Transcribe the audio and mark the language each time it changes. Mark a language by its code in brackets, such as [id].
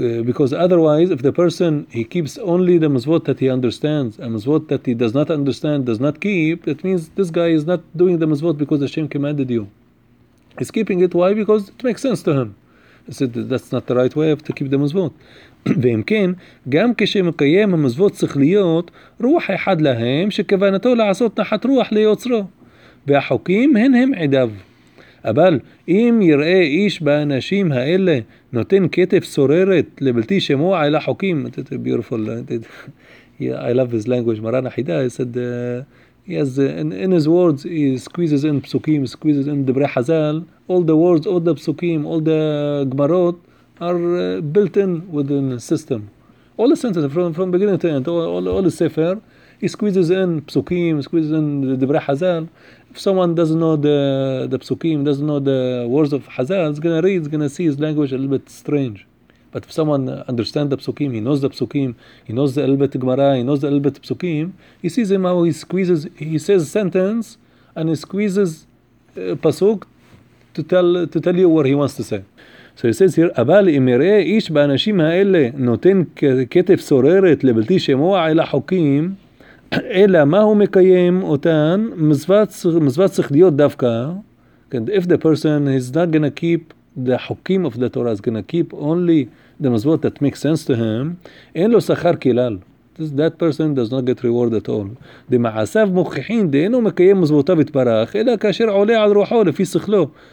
[en] Because otherwise, if the person, he keeps only the mitzvot that he understands, a mitzvot that he does not understand, does not keep, that means this guy is not doing the mitzvot because Hashem commanded you. He's keeping it. Why? Because it makes sense to him. He said, that's not the right way to keep the mitzvot. [he] ואם כן, גם כשמקיים המצוות צריך להיות רוח אחד להם שכוונתו לעשות נחת רוח ליוצרו. והחוקים הן הם עדיו. אבל אם יראה איש באנשים האלה נותן כתף סוררת לבלתי שמוע אל החוקים, [en] it's beautiful, I love his language, מרן החידה, he said, yes, in his words, he squeezes in פסוקים, squeezes in דברי חזל, all the words, all the פסוקים, all the גמרות, are built in within the system. All the sentences, from beginning to end, all the sefer, he squeezes in פסוקים, squeezes in דברי חזל. If someone doesn't know the פסוקים, doesn't know the words of חזל, he's going to read, he's going to see his language a little bit strange. But if someone understands the פסוקים, he knows the פסוקים, he knows the אלבט גמרא, he knows the אלבט פסוקים, he sees him how he squeezes, he says a sentence, and he squeezes פסוק to tell you what he wants to say. So he says here, [he] אבל אם יראה איש באנשים האלה נותן כתף סוררת לבלתי שמוע אל החוקים, אלא מה הוא מקיים אותן? מצוות צריך להיות דווקא. [en] If the person is not going to keep the חוקים of the Torah, is going to keep only the מצוות that make sense to him, [he] אין לו שכר כלל. [en] That person does not get reward at all. [he] דמעשיו מוכיחים דאינו מקיים מצוותיו יתברך, אלא כאשר עולה על רוחו לפי שכלו.